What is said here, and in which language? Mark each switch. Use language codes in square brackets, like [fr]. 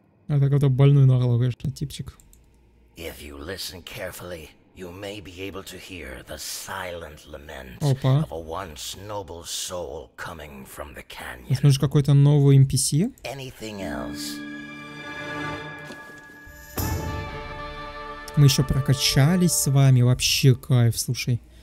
[ru] Это какой-то больной на голову, конечно, типчик. [en] If you listen carefully, you may be able to hear the silent lament of a once noble soul coming from the canyon. [ru] Слышишь, какой-то новый NPC? [en] Anything else? [ru] Мы еще прокачались с вами, вообще кайф, слушай.